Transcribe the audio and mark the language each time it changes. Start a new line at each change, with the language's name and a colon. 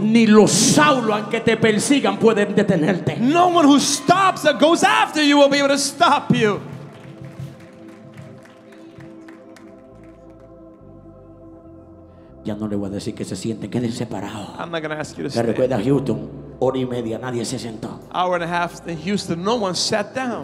Spanish: ni los Saulos aunque te persigan pueden detenerte.
English: No one who stops or goes after you will be able to stop you.
Spanish: Ya no le voy a decir que se siente, quédense parados.
English: I'm not going to ask you to stand.
Spanish: ¿Te recuerdas Houston? Hora y media, nadie se sentó.
English: Hour and a half in Houston, no one sat down.